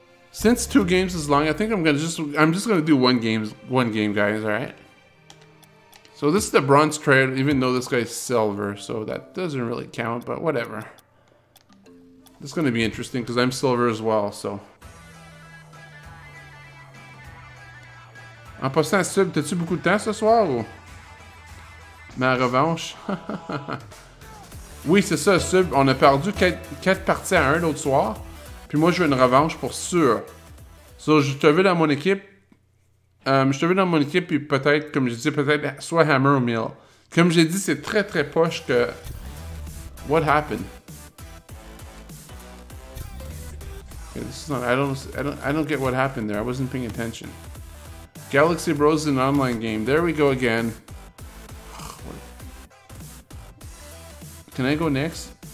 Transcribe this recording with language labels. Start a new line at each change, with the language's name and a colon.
English: Since two games is long, I think I'm just gonna do one game, guys, alright? So this is the bronze trade, even though this guy's silver, so that doesn't really count, but whatever. This is gonna be interesting because I'm silver as well, so.
French: En passant, sub, t'as-tu beaucoup de temps ce soir ou? Ma revanche? Oui, c'est ça, sub. On a perdu 4 parties à 1 l'autre soir. Puis moi, je veux une revanche pour sûr. So, je te veux dans mon équipe. Je te veux dans mon équipe, puis peut-être, comme je dis, peut-être soit Hammer ou Mill. Comme j'ai dit, c'est très très poche que.
English: What happened? Okay, this is not, I don't get what happened there. I wasn't paying attention. Galaxy Bros is an online game. There we go again. Can I go next?